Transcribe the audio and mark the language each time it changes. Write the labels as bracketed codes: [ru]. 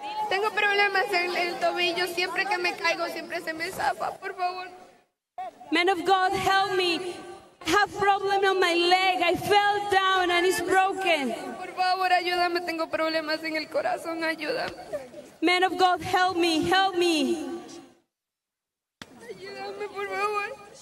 [es] Tengo problemas en el tobillo, siempre que me caigo, siempre se me zafa, por favor. [en] Man of God, help me. I have problem on my leg, I fell down and it's broken. [es] Por favor, ayúdame, tengo problemas en el corazón, ayúdame. [en] Man of God, help me, help me. [es] Ayúdame, por favor.